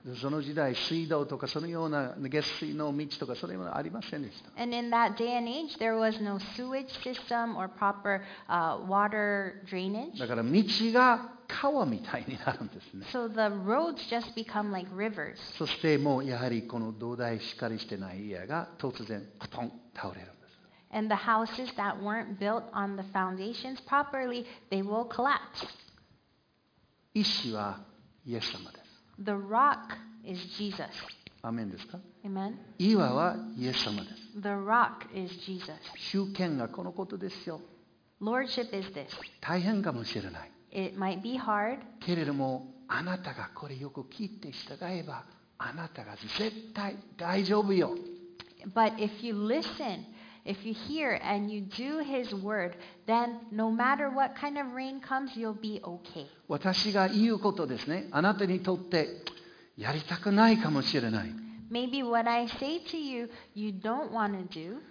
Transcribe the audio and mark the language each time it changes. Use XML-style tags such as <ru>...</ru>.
<ja>その時代、水道とかそのような下水の道とかそれもありませんでした。</ja> <en>And in that day and age, there was no sewage system or proper water drainage.</en> <ja>だから道が川みたいになるんですね。</ja> <en>So the roads just become like rivers.</en> <ja>そしてもうやはりこの土台しっかりしてない家が突然クトン倒れるんです。</ja> <en>And the houses that weren't built on the foundations properly, they will collapse.</en> <ja>石はイエス様です。</ja> <en>The rock is Jesus.</en> <ja>アメンですか?</ja> <en>Amen.</en> <ja>岩はイエス様です。</ja> <en>The rock is Jesus.</en> <ja>主権がこのことですよ。</ja> <en>Lordship is this.</en> <ja>大変かもしれない。</ja> <en>It might be hard.</en> <ja>けれども、あなたがこれよく聞いて従えば、あなたが絶対大丈夫よ。</ja> <en>But if you listen, if you hear and you do His word, then no matter what kind of rain comes, you'll be okay.</en> <ja>私が言うことですね。あなたにとってやりたくないかもしれない。</ja> <en>Maybe what I say to you, you don't want to do.</en>